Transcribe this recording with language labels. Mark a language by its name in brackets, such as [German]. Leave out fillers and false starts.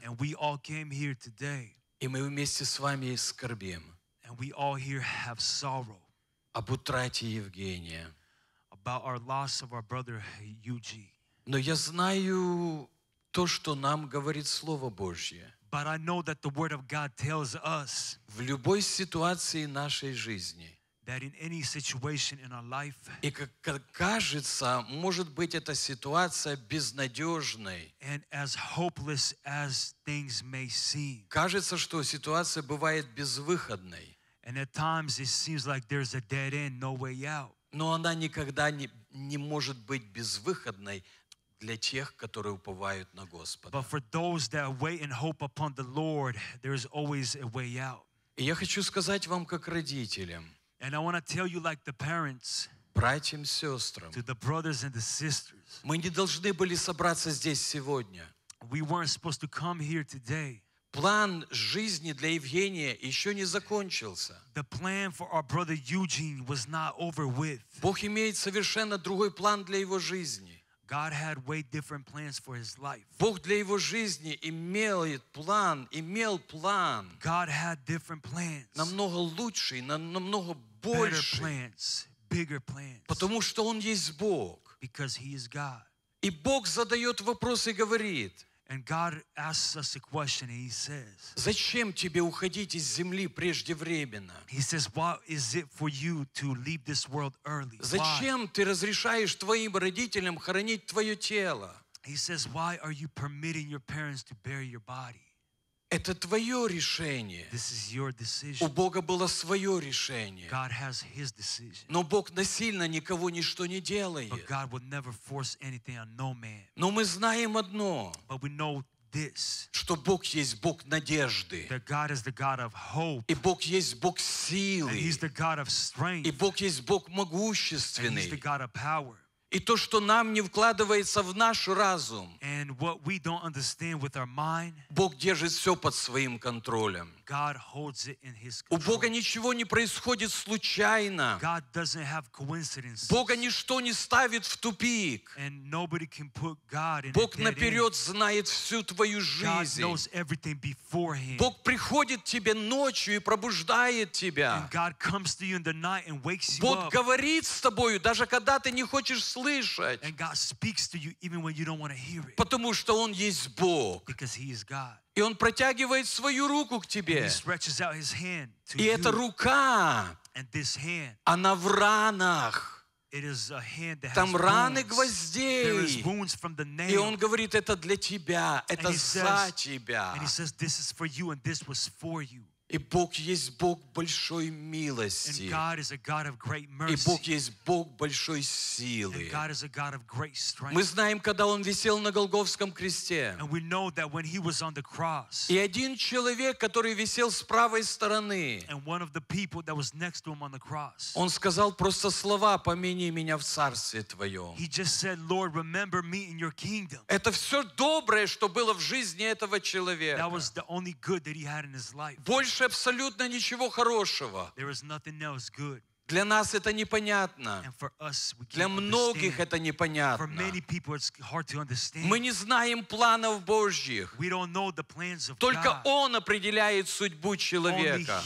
[English] And we all came here today. [Russian] И мы вместе с вами скорбим. [English] And we all here have sorrow [Russian] об утрате Евгения. [English] About our loss of our brother Юджи. [Russian] Но я знаю то, что нам говорит Слово Божье. [English] But I know that the Word of God tells us [Russian] в любой ситуации нашей жизни [English] that in any situation in our life [Russian] и как кажется, может быть эта ситуация безнадежной [English] and as hopeless as things may seem [Russian] кажется, что ситуация бывает безвыходной [English] And at times it seems like there's a dead end, no way out. [Russian] Но она никогда не может быть безвыходной для тех, которые уповают на Господа. [English] But for those that wait and hope upon the Lord, there is always a way out. [Russian] И я хочу сказать вам как родителям. [English] And I want to tell you like the parents. [Russian] Братьям, сестрам. [English] To the brothers and the sisters. [Russian] Мы не должны были собраться здесь сегодня. [English] We weren't supposed to come here today. [Russian] План жизни для Евгения еще не закончился. [English] The plan for our brother Eugene was not over with. [Russian] Бог имеет совершенно другой план для его жизни. [English] God had way different plans for his life. [Russian] Бог для его жизни имел план. [English] God had different plans. [Russian] Намного лучший, намного больше. [English] Better plans. bigger plans. [Russian] Потому что Он есть Бог. [English] Because He is God. [Russian] И Бог задает вопрос и говорит. [English] And God asks us a question, and He says, [Russian] зачем тебе уходить из земли преждевременно? [English] He says, why is it for you to leave this world early? [Russian] Зачем ты разрешаешь твоим родителям хоронить твое тело? [English] He says, why are you permitting your parents to bury your body? [Russian] Это твое решение. [English] This is your decision. [Russian] У Бога было свое решение. [English] God has His decision. [Russian] Но Бог насильно никого ничто не делает. [English] But God would never force anything on no man. [Russian] Но мы знаем одно. [English] But we know this. [Russian] Что Бог есть Бог надежды. [English] That God is the God of hope. [Russian] И Бог есть Бог силы. [English] And He's the God of strength. [Russian] И Бог есть Бог могущественный. [English] And He's the God of power. [Russian] И то, что нам не вкладывается в наш разум, [English] and what we don't understand with our mind, [Russian] Бог держит все под своим контролем. [English] God holds it in His control. [Russian] У Бога ничего не происходит случайно. [English] God doesn't have coincidences. [Russian] Бога ничто не ставит в тупик. [English] And nobody can put God in [Russian] Бог наперед знает всю твою жизнь. [English] God knows everything beforehand. [Russian] Бог приходит тебе ночью и пробуждает тебя. [English] And God comes to you in the night and wakes you [Russian] Бог [English] up. [Russian] Говорит с тобою, даже когда ты не хочешь слышать. [English] And God speaks to you even when you don't want to hear it. [Russian] Потому что Он есть Бог. [English] Because He is God. [Russian] И Он протягивает свою руку к тебе. [English] And He stretches out His hand to [Russian] и эта рука, [English] and this hand, [Russian] она в ранах. [English] It is a hand that [Russian] там [English] has [Russian] раны [English] wounds. [Russian] Гвоздей. [English] There is wounds from the nail. [Russian] И Он говорит, это для тебя, это за тебя. [English] And He says, this is for you, and this was for you. [Russian] И Бог есть Бог большой милости. [English] And God is a God of great mercy. [Russian] И Бог есть Бог большой силы. [English] And God is a God of great strength. [Russian] Мы знаем, когда Он висел на Голгофском кресте. [English] And we know that when He was on the cross. [Russian] И один человек, который висел с правой стороны. [English] And one of the people that was next to Him on the cross. [Russian] Он сказал просто слова, помяни меня в Царстве Твоем. [English] He just said, Lord, remember me in your kingdom. [Russian] Это все доброе, что было в жизни этого человека. [English] That was the only good that he had in his life. [Russian] Больше абсолютно ничего хорошего. [English] There is nothing else good. [Russian] Для нас это непонятно. [English] And for us, we can't [Russian] для многих [English] understand. [Russian] Это непонятно. [English] For many people, it's hard to understand. [Russian] Мы не знаем планов Божьих. [English] We don't know the plans of [Russian] только [English] God. [Russian] Он определяет судьбу человека.